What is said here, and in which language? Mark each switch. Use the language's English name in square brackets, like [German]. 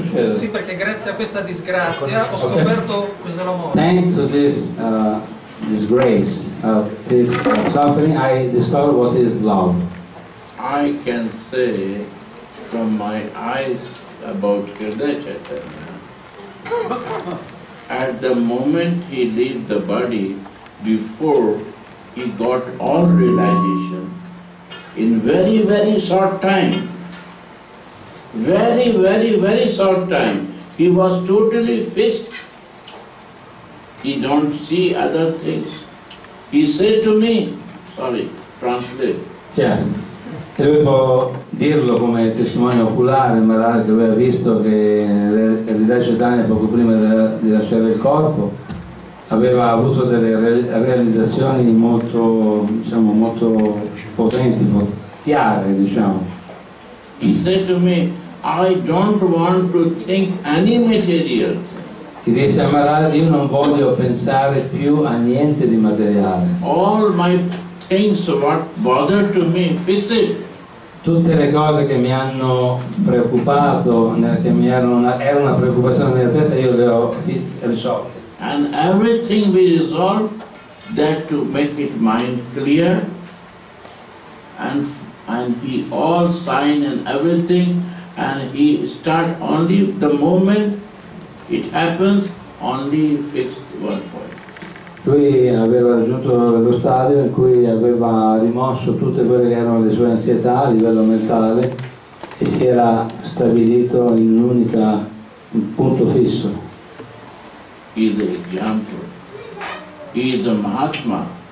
[Italian] Sì, perché grazie a questa disgrazia ho scoperto cos'è l'amore. [English] Thanks to this disgrace, this suffering, I discovered what is love. I can see from my eyes about Hrdaya Chaitanya. At the moment he leaves the body, before he got all realization, in very, very short time, very, very, very short time, he was totally fixed. He don't see other things. He said to me, sorry, translate. Yes. [Italian] E lui può dirlo come testimone oculare, magari che lui ha visto che Hrdaya Chaitanya poco prima di lasciare il corpo aveva avuto delle realizzazioni molto, diciamo, molto potenti, chiare, diciamo. [English] He said to me, I don't want to think any material. [Italian] E disse a Maharaj, io non voglio pensare più a niente di materiale. [English] All my things what bother to me, fix it. [Italian] Tutte le cose che mi hanno preoccupato, che mi erano una preoccupazione nella testa, io le ho risolte. [English] And everything we resolve, that to make it mind clear, and he all sign and everything, and he start only the moment it happens, only fixed one point. [Italian] Lui aveva raggiunto lo stadio in cui aveva rimosso tutte quelle che erano le sue ansietà a livello mentale e si era stabilito in un'unica, un punto fisso. [English] Is an example. Is a Mahatma.